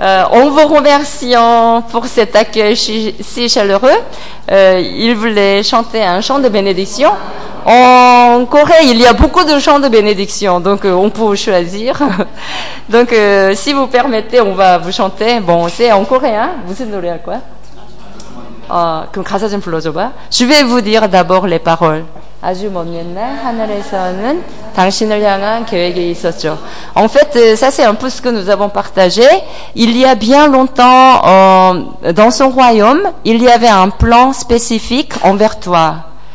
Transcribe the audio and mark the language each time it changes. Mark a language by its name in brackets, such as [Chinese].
[French] En vous remerciant pour cet accueil si chaleureux, il voulait chanter un chant de bénédiction. En Corée, il y a beaucoup de chants de bénédiction, donc on peut choisir. Donc, si vous permettez, on va vous chanter. Bon, c'est en coréen. Vous êtes nourri à quoi? Je vais vous dire d'abord les paroles. [Korean] 아주 먼 옛날 하늘에서는 당신을 향한 계획이 있었죠. [French] En fait, ça c'est un peu ce que nous avons partagé. Il y a bien longtemps, dans son royaume, il y avait un plan spécifique envers toi.